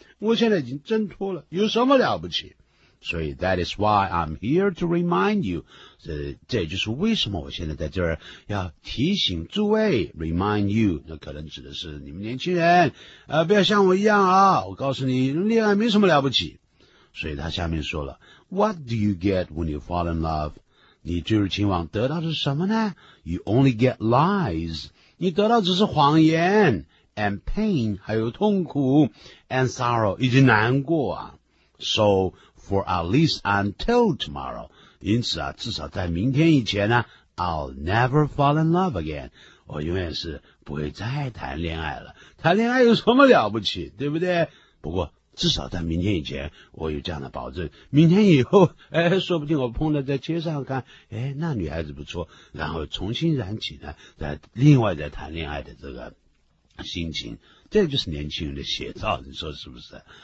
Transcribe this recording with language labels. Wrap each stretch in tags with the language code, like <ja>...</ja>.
<zh>我现在已经挣脱了，有什么了不起？所以</zh> <en>that is why I'm here to remind you，</en> <zh>这就是为什么我现在在这儿要提醒诸位 remind you， 那可能指的是你们年轻人不要像我一样啊，我告诉你恋爱没什么了不起。所以他下面说了，</zh> <en>What do you get when you fall in love？</en> <zh>你坠入情网得到的是什么呢？</zh> <en>You only get lies，</en> <zh>你得到只是谎言，</zh> <en>and pain，</en> <zh>还有痛苦，</zh> <en>and sorrow，</en> <zh>以及难过啊。</zh> <en>SoFor at least until tomorrow，</en> <zh>因此啊，至少在明天以前呢，</zh> <en>I'll never fall in love again，</en> <zh>我永远是不会再谈恋爱了。谈恋爱有什么了不起，对不对？不过至少在明天以前我有这样的保证，明天以后说不定我碰到在街上看那女孩子不错，然后重新燃起呢在另外在谈恋爱的这个心情，这就是年轻人的写照，你说是不是？</zh>